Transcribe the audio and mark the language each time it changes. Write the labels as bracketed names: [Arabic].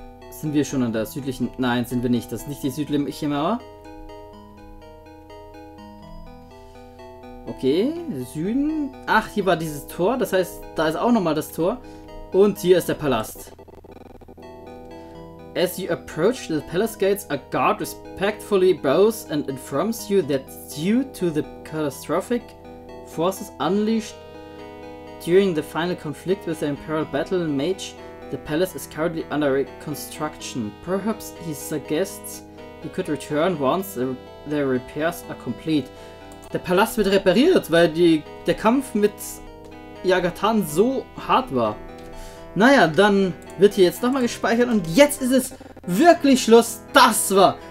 [German] Sind wir schon an der südlichen... Nein, sind wir nicht. Das ist nicht die südliche Mauer. Okay, Süden. Ach, hier war dieses Tor. Das heißt, da ist auch nochmal das Tor. Und hier ist der Palast. [English] As you approach the palace gates, a guard respectfully bows and informs you that due to the catastrophic forces unleashed during the final conflict with the Imperial Battle Mage, the palace is currently under reconstruction. Perhaps he suggests you could return once the repairs are complete. [German] Der Palast wird repariert, weil der Kampf mit Yagatan so hart war. Naja, dann wird hier jetzt nochmal gespeichert und jetzt ist es wirklich Schluss. Das war